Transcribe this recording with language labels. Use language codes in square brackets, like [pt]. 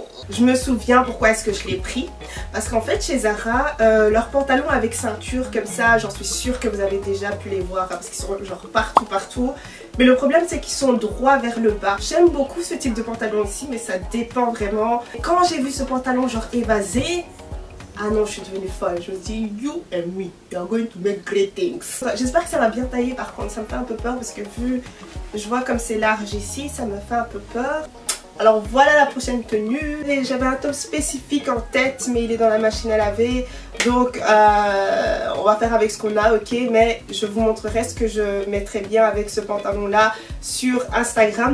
[fr] Je me souviens pourquoi est-ce que je l'ai pris. Parce qu'en fait chez Zara, leurs pantalons avec ceinture comme ça, j'en suis sûre que vous avez déjà pu les voir hein, parce qu'ils sont genre partout partout. Mais le problème c'est qu'ils sont droits vers le bas. J'aime beaucoup ce type de pantalon ici, mais ça dépend vraiment. Quand j'ai vu ce pantalon genre évasé, ah non, je suis devenue folle. Je me dis, [en] you and me, you are going to make great things. [fr] J'espère que ça va bien tailler par contre. Ça me fait un peu peur parce que vu, je vois comme c'est large ici, ça me fait un peu peur. Alors voilà la prochaine tenue. Et j'avais un top spécifique en tête, mais il est dans la machine à laver. Donc on va faire avec ce qu'on a, ok? Mais je vous montrerai ce que je mettrai bien avec ce pantalon là sur Instagram.